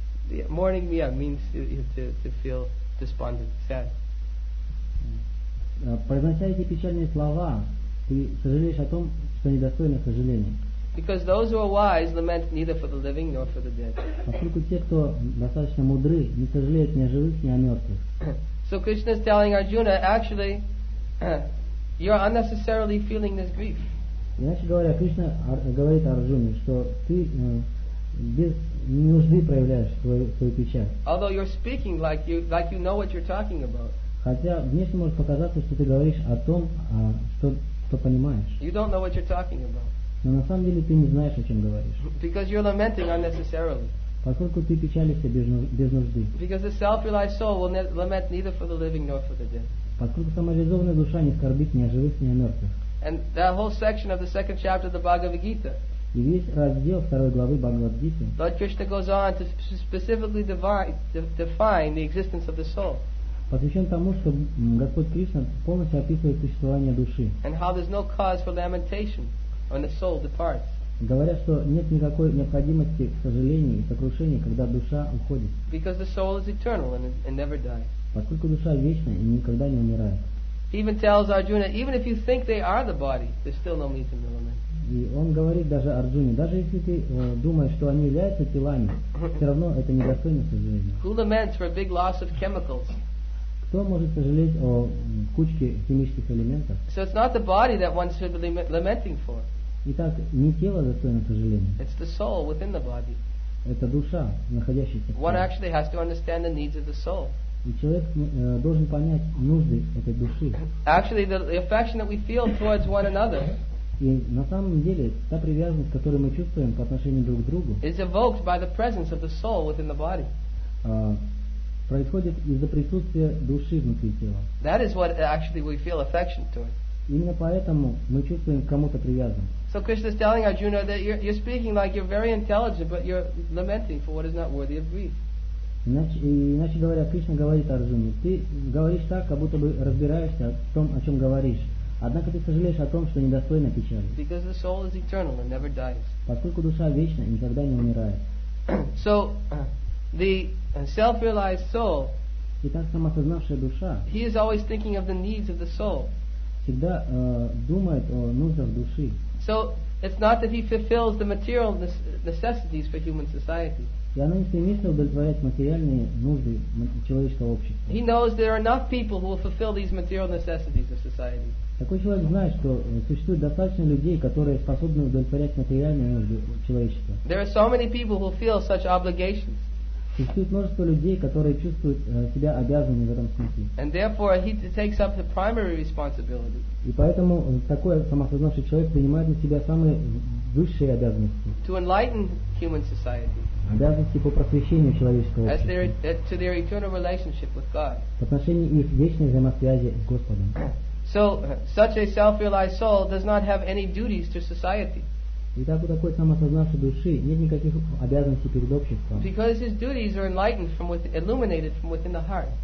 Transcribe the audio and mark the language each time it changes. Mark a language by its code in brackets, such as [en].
[en] Yeah, mourning, yeah, means to feel despondent, sad. [ru] Произнося эти печальные слова, ты сожалеешь о том, что недостойно сожаления. [en] Because those who are wise lament neither for the living nor for the dead. [ru] Поскольку те, кто достаточно мудры, не сожалеют ни о живых, ни о мертвых. [en] So Krishna is telling Arjuna, actually, you are unnecessarily feeling this grief. [ru] Иначе говоря, Кришна говорит Арджуне, что ты без нужды проявляешь свою печаль. [en] Although you're speaking like you know what you're talking about. [ru] Хотя внешне может показаться, что ты говоришь о том, что понимаешь. [en] You don't know what you're talking about. [ru] Но на самом деле ты не знаешь, о чем говоришь. [en] Because you're lamenting unnecessarily. [ru] Поскольку ты печалишься без нужды. [en] Because the self-realized soul will lament neither for the living nor for the dead. [ru] Поскольку самореализованная душа не скорбит ни о живых, ни о мертвых. [en] And that whole section of the second chapter of the Bhagavad Gita. [ru] И весь раздел второй главы Бхагавад Гиты. [en] Lord Krishna goes on to specifically define the existence of the soul. [ru] Посвящен тому, что Господь Кришна полностью описывает существование души. [en] And how there's no cause for lamentation when the soul departs. [ru] Говоря, что нет никакой необходимости к сожалению и сокрушению, когда душа уходит. [en] Because the soul is eternal and never dies. [ru] Поскольку душа вечна и никогда не умирает. [en] He even tells Arjuna, even if you think they are the body, there's still no need to lament. [ru] И он говорит даже Арджуне, даже если ты думаешь, что они являются телами, все равно это недостойно сожаления. [en] Who laments for a big loss of chemicals? [ru] Кто может сожалеть о кучке химических элементов? [en] So it's not the body that one should be lamenting for. [ru] Итак, не тело достойно сожаления. [en] It's the soul within the body. [ru] Это душа, находящаяся в теле. [en] One actually has to understand the needs of the soul. [ru] И человек должен понять нужды этой души. [en] Actually, the affection that we feel towards one another. [ru] И на самом деле та привязанность, которую мы чувствуем по отношению друг к другу, [en] is evoked by the presence of the soul within the body. [ru] Происходит из-за присутствия души внутри тела. [en] That is what actually we feel affection towards. [ru] Именно поэтому мы чувствуем к кому-то привязанность. [en] So Krishna is telling Arjuna that you're speaking like you're very intelligent, but you're lamenting for what is not worthy of grief. [ru] Иначе говоря, Кришна говорит Арджуне: ты говоришь так, как будто бы разбираешься в том, о чем говоришь, однако ты сожалеешь о том, что недостойно печали. [en] Because the soul is eternal and never dies. [ru] Поскольку душа вечна и никогда не умирает. [en] So the self-realized soul. [ru] Итак, самосознавшая душа. [en] He is always thinking of the needs of the soul. [ru] Всегда думает о нуждах души. [en] So it's not that he fulfills the material necessities for human society. [ru] И она не стремится удовлетворять материальные нужды человеческого общества. [en] He knows there are enough people who will fulfill these material necessities of society. [ru] Такой человек знает, что существует достаточно людей, которые способны удовлетворять материальные нужды человечества. [en] There are so many people who feel such obligations. [ru] Существует множество людей, которые чувствуют себя обязанными в этом смысле. [en] And therefore he takes up the primary responsibility. [ru] И поэтому такой самосознавший человек принимает на себя самые высшие обязанности. [en] To enlighten human society. [ru] Обязанности по просвещению человеческого общества. В отношении их вечной взаимосвязи с Господом. [en] So such a self-realized soul does not have any duties to society. [ru] Итак, у такой самосознавшей души нет никаких обязанностей перед обществом. [en] Because his duties are enlightened from within, illuminated from within the heart.